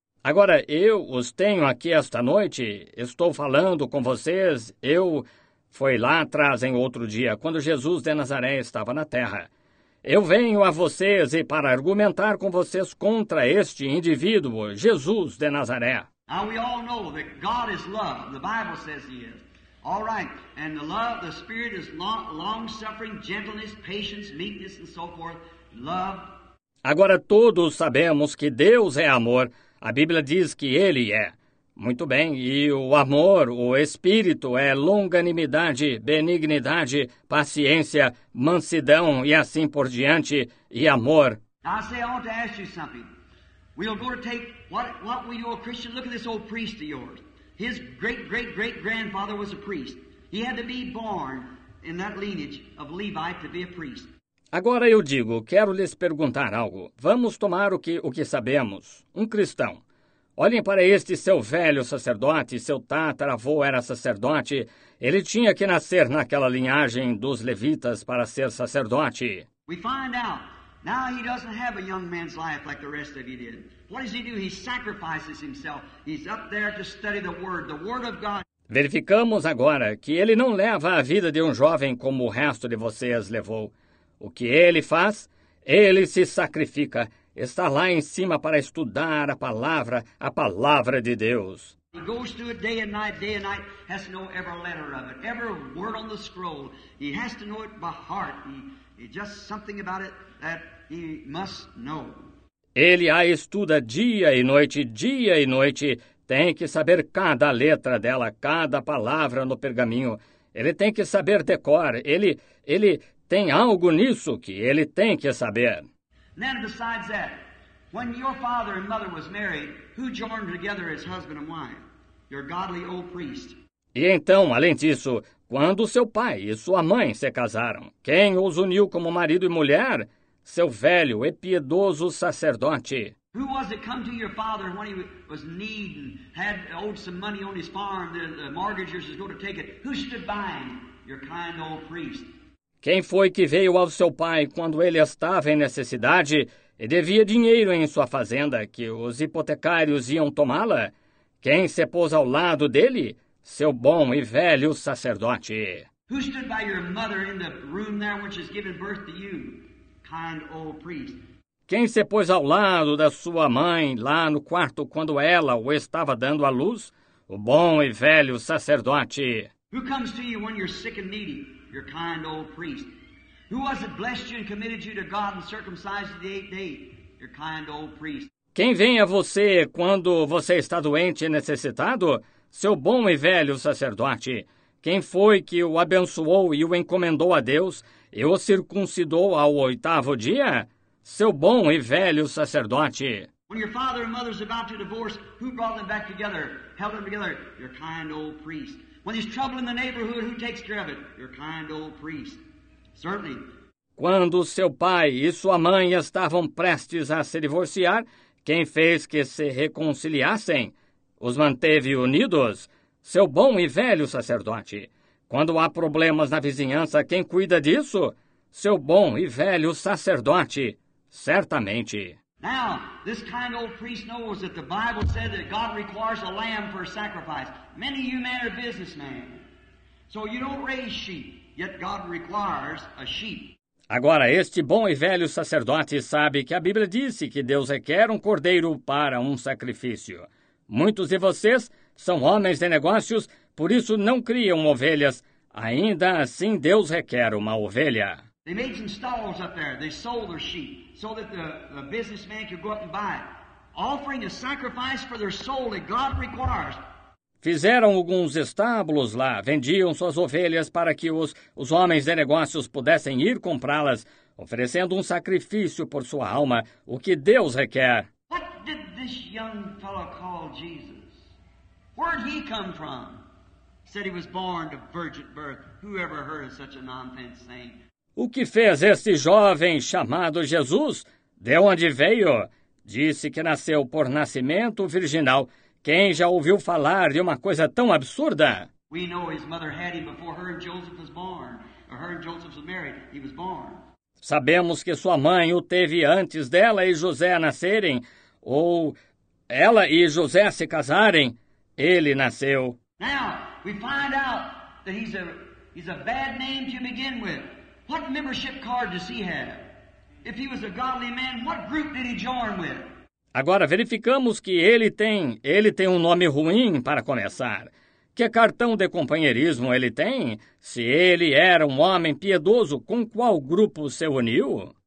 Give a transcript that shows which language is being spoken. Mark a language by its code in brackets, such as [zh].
[pt] Agora, eu os tenho aqui esta noite, estou falando com vocês, eu fui lá atrás em outro dia, quando Jesus de Nazaré estava na terra. Eu venho a vocês e para argumentar com vocês contra este indivíduo, Jesus de Nazaré. [en] Now we all know that God is love, the Bible says he is. All right, and the love, the Spirit is long-suffering, gentleness, patience, meekness, and so forth, love. [pt] Agora todos sabemos que Deus é amor. A Bíblia diz que ele é. Muito bem, e o amor, o Espírito, é longanimidade, benignidade, paciência, mansidão e assim por diante, e amor. [en] I say I want to ask you something. We'll go to take what we do a Christian. Look at this old priest of yours. His great-great-great-grandfather was a priest. He had to be born in that lineage of Levi to be a priest. [pt] Agora eu digo, quero lhes perguntar algo. Vamos tomar o que sabemos. Um cristão. Olhem para este seu velho sacerdote, seu tataravô era sacerdote. Ele tinha que nascer naquela linhagem dos levitas para ser sacerdote. [en] We find out Now he doesn't have a young man's life like the rest of you did. What does he do? He sacrifices himself. He's up there to study the word of God. [pt] Verificamos agora que ele não leva a vida de um jovem como o resto de vocês levou. O que ele faz? Ele se sacrifica. Está lá em cima para estudar a palavra de Deus. [en] He goes through it day and night, has to know every letter of it, every word on the scroll. He has to know it by heart. It's just something about it that he must know. [pt] Ele a estuda dia e noite, tem que saber cada letra dela, cada palavra no pergaminho. Ele tem que saber decor, ele tem algo nisso que ele tem que saber. [en] Then besides that, when your father and mother was married, who joined together as husband and wife? Your godly old priest. [pt] E então, além disso, quando seu pai e sua mãe se casaram, quem os uniu como marido e mulher? Seu velho e piedoso sacerdote. [en] Who was it come to your father when he was needing, had owed some money on his farm, the mortgagers was going to take it? Who stood by him? Your kind old priest. [pt] Quem foi que veio ao seu pai quando ele estava em necessidade e devia dinheiro em sua fazenda que os hipotecários iam tomá-la? Quem se pôs ao lado dele? Seu bom e velho sacerdote. [en] Who stood by your mother in the room there when she's giving birth to you? Kind old priest. [pt] Quem se pôs ao lado da sua mãe lá no quarto quando ela o estava dando à luz? O bom e velho sacerdote. [en] Who comes to you when you're sick and needy? Your kind old priest. Who was it blessed you and committed you to God and circumcised you the eighth day? Your kind old priest. [pt] Quem vem a você quando você está doente e necessitado? Seu bom e velho sacerdote. Quem foi que o abençoou e o encomendou a Deus e o circuncidou ao oitavo dia? Seu bom e velho sacerdote. [en] When your father and mother's about to divorce, who brought them back together, held them together? Your kind old priest. When there's trouble in the neighborhood, who takes care of it? Your kind old priest. Certainly. [pt] Quando seu pai e sua mãe estavam prestes a se divorciar, quem fez que se reconciliassem? Os manteve unidos? Seu bom e velho sacerdote. Quando há problemas na vizinhança, quem cuida disso? Seu bom e velho sacerdote. Certamente. [en] Now, this kind old priest knows that the Bible said that God requires a lamb for a sacrifice. Many of you men are businessmen. So you don't raise sheep, yet God requires a sheep. [pt] Agora, este bom e velho sacerdote sabe que a Bíblia disse que Deus requer um cordeiro para um sacrifício. Muitos de vocês são homens de negócios, por isso não criam ovelhas. Ainda assim, Deus requer uma ovelha. [en] They made some stalls up there. They sold their sheep so that the businessman could go up and buy it. Offering a sacrifice for their soul that God requires. [pt] Fizeram alguns estábulos lá, vendiam suas ovelhas para que os homens de negócios pudessem ir comprá-las, oferecendo um sacrifício por sua alma, o que Deus requer. [en] What did this young fellow call Jesus? Where did he come from? Said he was born of virgin birth. Who ever heard of such a nonsense saying? [pt] O que fez este jovem chamado Jesus? De onde veio? Disse que nasceu por nascimento virginal. Quem já ouviu falar de uma coisa tão absurda? [en] We know his mother had him before her and Joseph was born. Or her and Joseph was married. He was born. [pt] Sabemos que sua mãe o teve antes dela e José nascerem. Ou ela e José se casarem. Ele nasceu. [en] Now, we find out that he's a bad name to begin with. What membership card does he have? If he was a godly man, what group did he join with? [pt] Agora verificamos que ele tem um nome ruim para começar. Que cartão de companheirismo ele tem? Se ele era um homem piedoso, com qual grupo se uniu?